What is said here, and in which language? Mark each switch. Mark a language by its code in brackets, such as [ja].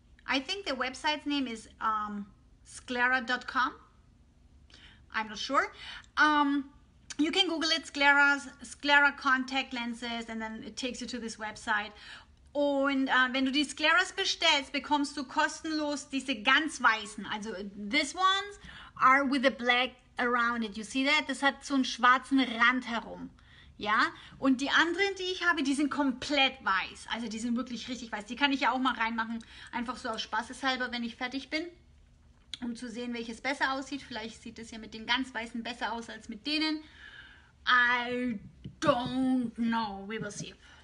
[en] I think the website's name is sclera.com. I'm not sure. You can Google it, Scleras, Sclera contact lenses, and then it takes you to this website. [de] Und wenn du die Scleras bestellst, bekommst du kostenlos diese ganz weißen. [en] Also, this ones are with a black around it. You see that? [de] Das hat so einen schwarzen Rand herum. Ja? Und die anderen, die ich habe, die sind komplett weiß. Also, die sind wirklich richtig weiß. Die kann ich ja auch mal reinmachen, einfach so aus Spaßeshalber, wenn ich fertig bin. Um zu sehen, welches besser aussieht. Vielleicht sieht es ja mit den ganz weißen besser aus als mit denen. [en] I don't know. We will see.